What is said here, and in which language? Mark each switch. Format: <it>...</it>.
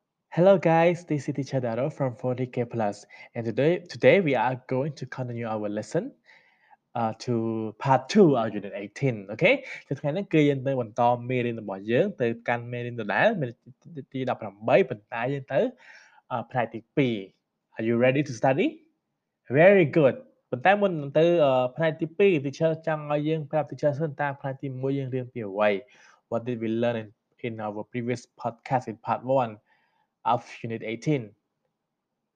<en>Hello guys, this is Teacher Daro from 40K Plus, and today we are going to continue our lesson to part 2 of unit 18, okay?</en> <km>ថ្ងៃនេះគឺយើងទៅបន្តមេរៀនរបស់យើងទៅកាន់មេរៀនដដែលមេរៀនទី18បន្តយើងទៅផ្នែកទី2.</km> <en>Are you ready to study? Very good.</en> <km>ប៉ុន្តែមុននឹងទៅផ្នែកទី2 teacher ចង់ឲ្យយើងប្រាប់ teacher សិនតាផ្នែកទី1យើងរៀនពីអ្វី?</km> <en>What did we learn in our previous podcast in part 1 of unit 18?</en>